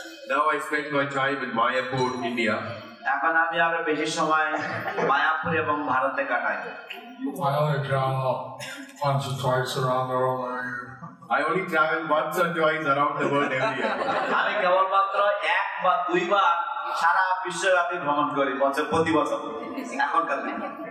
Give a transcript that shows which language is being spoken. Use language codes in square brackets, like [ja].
[en] Now I spent my time in Mayapur, India. [bn] এখন আমি আরো বেশি সময় মায়াপুর এবং ভারতে কাটাই। [en] I only travel once or twice around the world every year. [bn] আমি কেবলমাত্র এক বা দুই বার সারা বিশ্বব্যাপী ভ্রমণ করি বছর প্রতি বছর এখনকার দিনে।